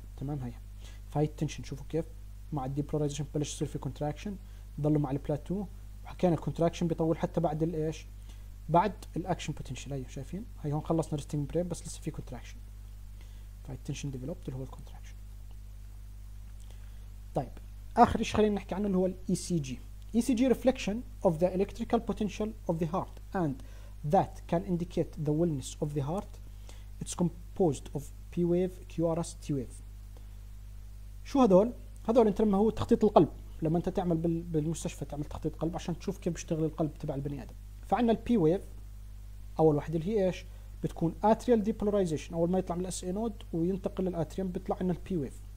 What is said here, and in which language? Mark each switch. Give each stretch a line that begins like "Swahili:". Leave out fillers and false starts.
Arabic: تمام؟ هي فهي التنشن، شوفوا كيف مع الديبولاريزيشن بلش يصير في كونتراكشن، ضلوا مع البلاتو، وحكينا الكونتراكشن بيطول حتى بعد الايش؟ بعد الاكشن بوتنشال. ايوه شايفين هي هون خلصنا ريستنج بريف بس لسه في كونتراكشن، فهي التنشن ديفلوبت اللي هو الكونتراكشن. طيب اخر شيء خلينا نحكي عنه اللي هو الاي سي جي.
English: ECG reflection of the electrical potential of the heart and that can indicate the wellness of the heart. It's composed of P wave, QRS, T wave.
Arabic: شو هذول؟ هذول انت لما هو تخطيط القلب، لما انت تعمل بالمستشفى تعمل تخطيط قلب عشان تشوف كيف بيشتغل القلب تبع البني ادم. فعندنا ال P wave اول واحدة اللي هي ايش؟ بتكون atrial depolarization، اول ما يطلع من الاس اي نود وينتقل للاتريوم بيطلع عندنا ال P wave.